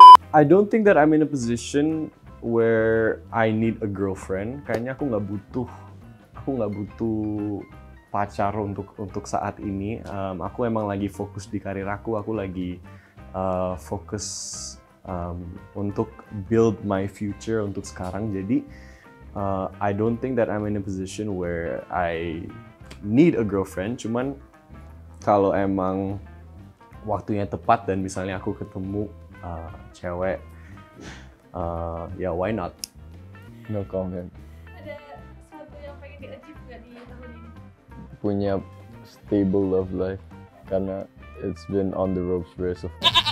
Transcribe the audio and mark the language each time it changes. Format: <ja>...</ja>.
<en>I don't think that I'm in a position where I need a girlfriend.</en> <id>Kayaknya aku nggak butuh pacar untuk saat ini. Aku emang lagi fokus di karir aku lagi... fokus untuk</id> <en>build my future</en> <id>untuk sekarang. Jadi</id> <en>I don't think that I'm in a position where I need a girlfriend.</en> <id>Cuman kalau emang waktunya tepat dan misalnya aku ketemu cewek, ya why not?</id> <en>No comment.</en> <id>Ada sesuatu yang pengen di-achieve gak di tahun ini? Punya</id> <en>stable love life,</en> <id>karena</id> <en>it's been on the ropes for so far.</en>